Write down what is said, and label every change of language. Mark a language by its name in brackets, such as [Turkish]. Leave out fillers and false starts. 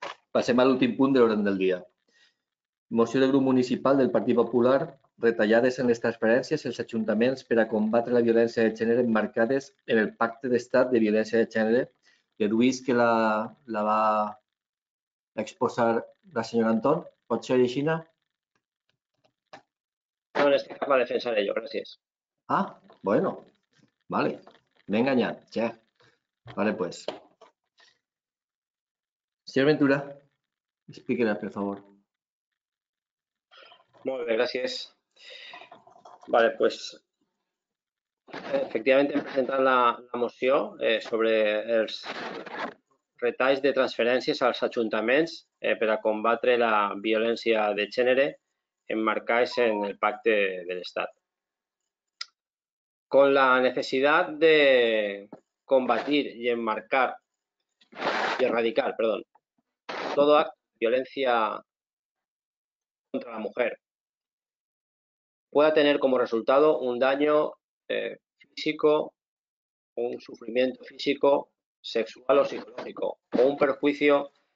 [Catalan] Passem a l'últim punt de l'ordre del dia. Moció del grup municipal del Partit Popular: retallades en les transferències als ajuntaments per a combatre la violència de gènere marcades en el Pacte d'Estat de Violència de Gènere. Deduís que la va exposar la senyora Antón. Pot ser així? No, en este cas va defensar ello. Gràcies. Ah, bueno. Vale. M'he enganyat. Ja. Vale, pues. Senyor Ventura, explíquela, per favor. Molt bé, gràcies. Vale, pues efectivament hem presentat la moció sobre els retalls de transferències als ajuntaments per a combatre la violència de gènere emmarcats en el Pacte de l'Estat. [Spanish] Con la necessitat de combatir i emmarcar i erradicar, perdón, todo acto de violència contra la mujer pueda tener como resultado un daño físico, un sufrimiento físico, sexual o psicológico, o un perjuicio